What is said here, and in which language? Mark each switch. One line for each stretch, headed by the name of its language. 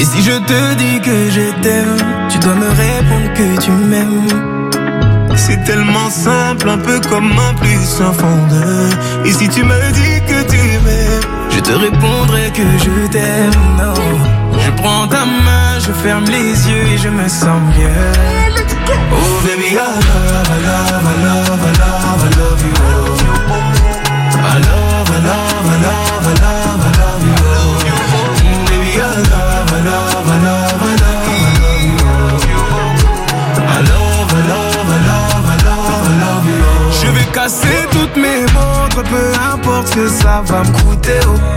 French: Et si je te dis que je t'aime, tu dois me répondre que tu m'aimes. C'est tellement simple, un peu comme un plus un fond de. Et si tu me dis que tu m'aimes, je te répondrai que je t'aime. Oh. Je prends ta main, je ferme les yeux et je me sens bien.
English: Oh baby, I love, I love, I love, I love, I love you. Oh. I love, I love, I love, I love, I love you. Oh. Baby, I love, I love, I love, I love, I love you. Oh. I love, I love, I love, I love, I love, I love you. Oh.
French: Je vais casser toutes mes montres, peu importe ce que ça va me coûter. Oh.